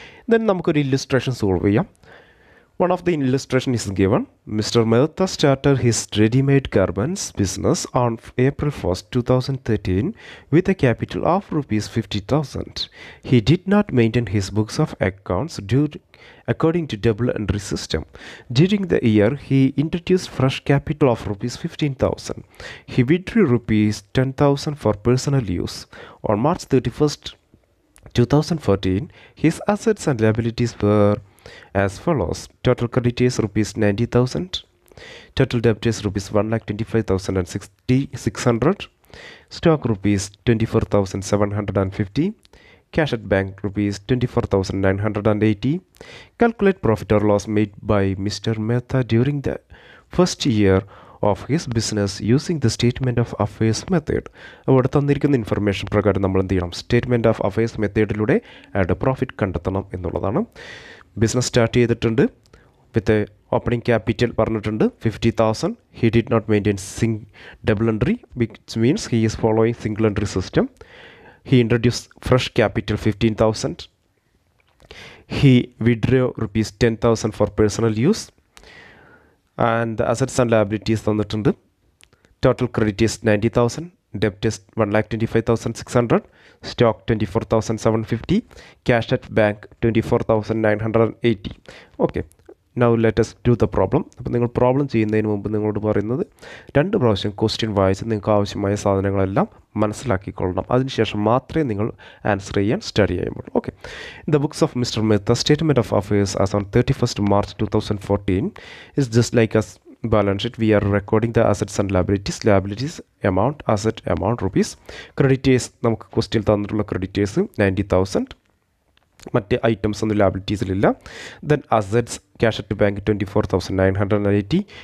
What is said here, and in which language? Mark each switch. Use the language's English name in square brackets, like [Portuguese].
[English] then [Malayalam] നമുക്കൊരു illustration solve ചെയ്യാം. [English] One of the illustration is given, mister Mehta started his readymade garments business on April 1, 2013 with a capital of ₹50,000. He did not maintain his books of accounts according to double entry system. During the year he introduce fresh capital of ₹15,000. He withdrew ₹10,000 for personal use. On March 31, 2014 his assets and liabilities were as follows: total credit is ₹90,000, total debt is ₹1,25,600, stock ₹24,750, cash at bank ₹24,980. Calculate profit or loss made by Mr. Mehta during the first year of his business using the statement of affairs method. [Malayalam] അവിടെ തന്നിരിക്കുന്ന information പ്രകാരം നമ്മൾ എന്ത് ചെയ്യണം, statement of affairs മെത്തേഡിലൂടെ അയാളുടെ profit കണ്ടെത്തണം എന്നുള്ളതാണ്. Business start ചെയ്തിട്ടുണ്ട്, വിത്ത് ഓപ്പണിംഗ് ക്യാപിറ്റൽ പറഞ്ഞിട്ടുണ്ട് 50,000. [English] He did not maintain double entry, which means he is following single entry system. He introduce fresh capital 15,000. He withdraw ₹10,000 for personal use. And assets and liabilities തന്നിട്ടുണ്ട്. Total credit is $90,000. Debt is $1,25,600, stock $24,750, cash at bank $24,980. Okay, now let us do the problem. [Malayalam] അപ്പോൾ നിങ്ങൾ problem ചെയ്യുന്നതിന് മുമ്പ് നിങ്ങളോട് പറയുന്നത്, രണ്ട് പ്രാവശ്യം question വായിച്ച് നിങ്ങൾക്ക് ആവശ്യമായ സാധനങ്ങളെല്ലാം മനസ്സിലാക്കിക്കൊള്ളണം. അതിനുശേഷം മാത്രമേ നിങ്ങൾ ആൻസർ ചെയ്യാൻ സ്റ്റഡി ചെയ്യുമ്പോൾ. [English] Okay, the books of mister Mehta statement of affairs as on 31st March 2014 is just like as balance sheet. We are recording the assets and liabilities. Liabilities amount, asset amount rupees. Creditors, [Malayalam] namak question thannittulla [English] creditors 90,000. Matte items and liabilities illa. Then assets, cash at bank 24,980.